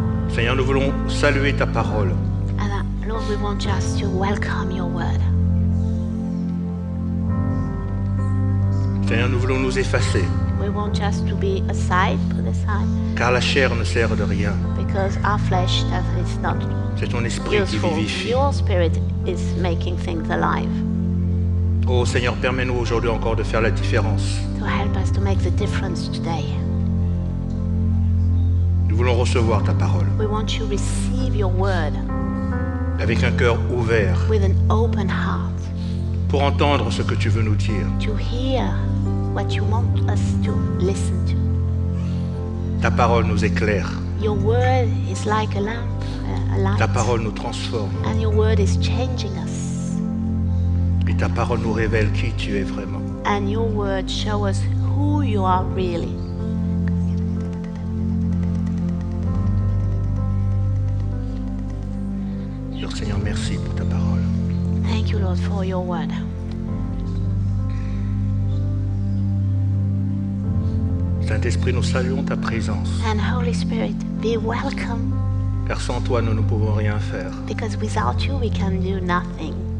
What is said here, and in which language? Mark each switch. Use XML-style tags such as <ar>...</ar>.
<fr>Seigneur, nous voulons saluer ta parole.</fr> <en>Lord, we want just to welcome your word.</en> <fr>Seigneur, nous voulons nous effacer.</fr> <en>We want just to be aside, put aside.</en> <fr>Car la chair ne sert de rien.</fr> <en>Because our flesh is not.</en> <fr>C'est ton esprit</fr> <en>useful.</en> <fr>Qui vivifie.</fr> <en>Your spirit is making things alive.</en> <fr>Oh Seigneur, permets-nous aujourd'hui encore de faire la différence.</fr> <en>To help us to make the difference today.</en> <fr>Nous voulons recevoir ta parole.</fr> <en>We want to receive your word.</en> <fr>Avec un cœur ouvert.</fr> <en>With an open heart.</en> <fr>Pour entendre ce que tu veux nous dire.</fr> <en>To hear what you want us to listen to.</en> <fr>Ta parole nous éclaire.</fr> <en>Your word is like a lamp, a light.</en> <fr>Ta parole nous transforme.</fr> <en>And your word is changing us.</en> <fr>Et ta parole nous révèle qui tu es vraiment.</fr> <en>And your word show us who you are really.</en> <fr>Alors, Seigneur, merci pour ta parole.</fr> <en>Thank you, Lord, for your word.</en> <fr>Saint-Esprit, nous saluons ta présence.</fr> <en>And Holy Spirit, be welcome.</en> <fr>Car sans toi, nous ne pouvons rien faire.</fr> <en>Because without you, we can do nothing.</en>